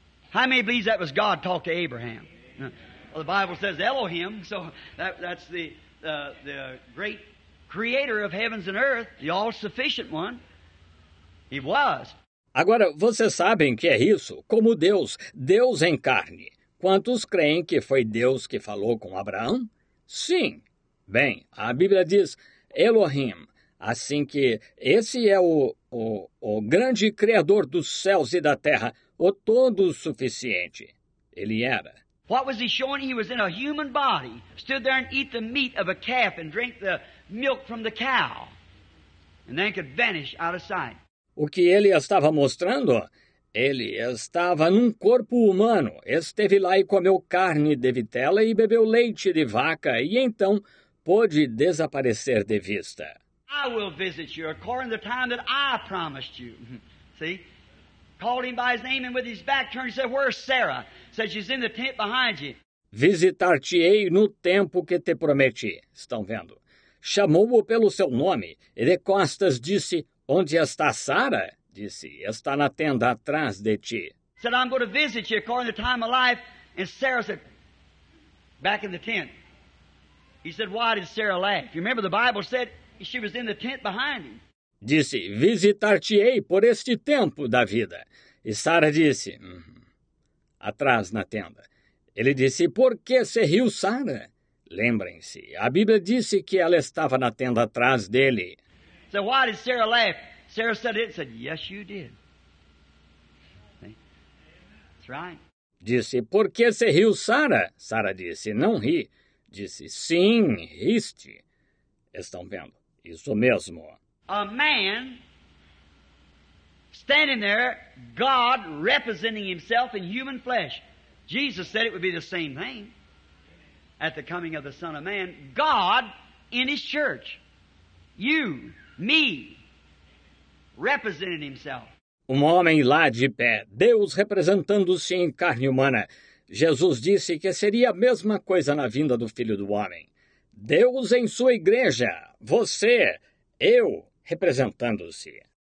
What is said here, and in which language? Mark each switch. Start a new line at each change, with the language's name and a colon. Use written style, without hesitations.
English: How many believe that was God talked to Abraham? Well, the Bible says Elohim, so that's the great creator of heavens and earth, the all-sufficient one. He was.
Portuguese: Agora, vocês sabem que é isso, como Deus, Deus em carne. Quantos creem que foi Deus que falou com Abraão? Sim. Bem, a Bíblia diz Elohim, assim que esse é o grande Criador dos céus e da terra, o Todo-Suficiente. Ele era.
English: What was he showing? He was in a human body, stood there and eat the meat of a calf and drink the milk from the cow, and then could vanish out of sight.
Portuguese: O que ele estava mostrando? Ele estava num corpo humano, esteve lá e comeu carne de vitela e bebeu leite de vaca, e então pôde desaparecer de vista.
English: I will visit you according to the time that I promised you. See? Called him by his name and with his back turned, he said, where's Sarah? Said, she's in the tent behind you.
Portuguese: Visitar-te-ei no tempo que te prometi. Estão vendo? Chamou-o pelo seu nome, e de costas disse, onde está Sara? Disse, está na tenda atrás de ti.
English: Said, I'm going to visit you according to the time of life. And Sarah said, back in the tent. He said, why did Sarah laugh? You remember the Bible said, she was in the tent behind him.
Portuguese: Disse, visitar-te-ei por este tempo da vida. E Sara disse, atrás na tenda. Ele disse, por que se riu Sara? Lembrem-se, a Bíblia disse que ela estava na tenda atrás dele.
English: So why did Sarah laugh? Sarah said it. Said, yes, you did. That's right.
Portuguese: Disse, por que se riu Sara? Sara disse, não ri. Disse, sim, riste. Estão vendo? Isso mesmo.
English: A man standing there, God representing himself in human flesh. Jesus said it would be the same thing at the coming of the Son of Man. God in his church. You. Me, representing himself.
Portuguese: Um homem lá de pé, Deus representando-se em carne humana. Jesus disse que seria a mesma coisa na vinda do Filho do Homem. Deus em sua igreja, você, eu, representando-se.